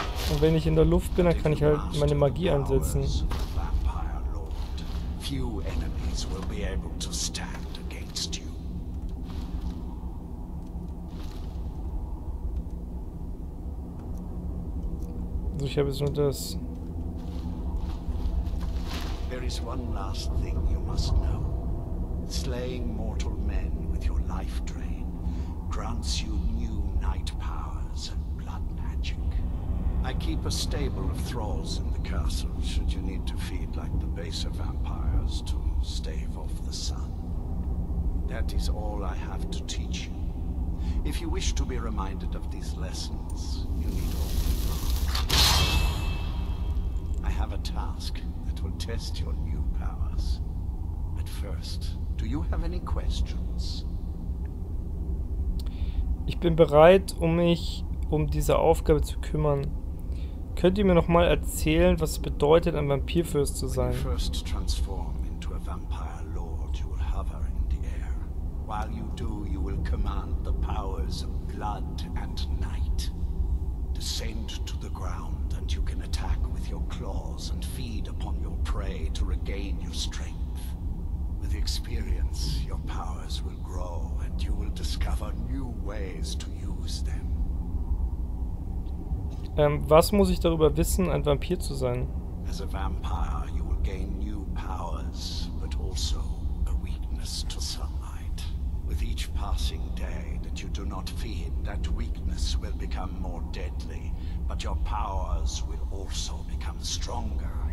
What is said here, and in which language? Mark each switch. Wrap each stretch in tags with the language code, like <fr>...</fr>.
<de>Und wenn ich in der Luft bin, dann kann ich halt meine Magie einsetzen. Also ich habe jetzt nur das.</de> <en>There is one last thing you must know. Slaying mortal men with your life drain grants you new night powers and blood magic. I keep a stable of thralls in the castle, should you need to feed like the baser vampires to stave off the sun. That is all I have to teach you. If you wish to be reminded of these lessons, you need all the I have a task that will test your new powers. But first, do you have any questions?</en> <de>Ich bin bereit, um mich um diese Aufgabe zu kümmern. Könnt ihr mir noch mal erzählen, was es bedeutet, ein Vampirfürst zu sein?</de> <en>When you first transform into a vampire lord, you will hover in the air. While you do, you will command the powers of blood and night. Descend to the ground and you can attack with your claws and feed upon your prey to regain your strength. With experience, your powers will grow and you will discover new ways to use them.</en> <de>Was muss ich darüber wissen, ein Vampir zu sein?</de> <en>As a vampire, you will gain new powers, but also a weakness to sunlight. With each passing day that you do not feed, that weakness will become more deadly, but your powers will also become stronger.</en>